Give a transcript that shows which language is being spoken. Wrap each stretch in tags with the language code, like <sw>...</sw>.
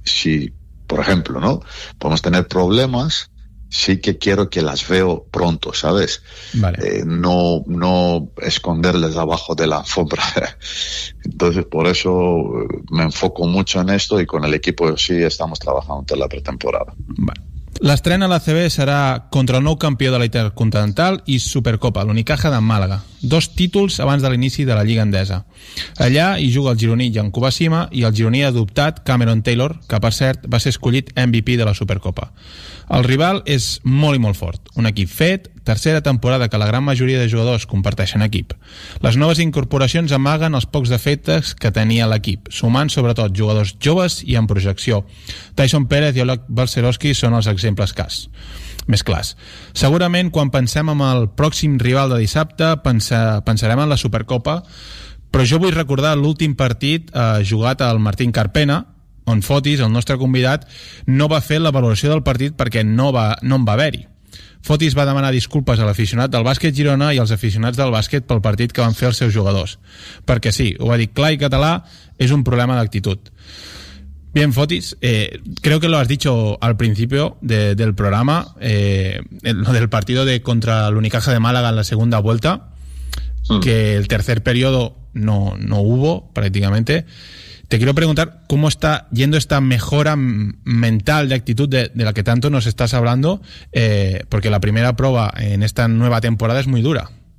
<es>Si, por ejemplo, ¿no?, podemos tener problemas, sí que quiero que las veo pronto, ¿sabes? Vale. No esconderles abajo de la alfombra. Entonces, por eso me enfoco mucho en esto y con el equipo sí estamos trabajando en la pretemporada. Vale.</es> <ca>L'estrena a la CB serà contra el nou campió de la Intercontinental i Supercopa, l'Unicaja de Màlaga. Dos títols abans de l'inici de la Lliga Endesa. Allà hi juga el gironí Jan Kubasima i el gironí adoptat Cameron Taylor, que per cert va ser escollit MVP de la Supercopa. El rival és molt i molt fort. Un equip fet, tercera temporada que la gran majoria de jugadors comparteixen equip. Les noves incorporacions amaguen els pocs defectes que tenia l'equip, sumant sobretot jugadors joves i amb projecció. Tyson Pérez i Oleg Balcerowski són els exemples cas. Més clars. Segurament quan pensem en el pròxim rival de dissabte pensarem en la Supercopa, però jo vull recordar l'últim partit jugat al Martín Carpena, on Fotis, el nostre convidat, no va fer la valoració del partit perquè no en va haver-hi. Fotis va demanar disculpes a l'aficionat del bàsquet Girona i als aficionats del bàsquet pel partit que van fer els seus jugadors. Perquè sí, ho va dir clar i català, és un problema d'actitud.</ca> <es>Bien, Fotis, creo que lo has dicho al principio del programa, lo del partido de contra el Unicaja de Málaga en la segunda vuelta, que el tercer periodo no hubo prácticamente. Te quiero preguntar cómo está yendo esta mejora mental de actitud de la que tanto nos estás hablando, porque la primera prueba en esta nueva temporada es muy dura.</es>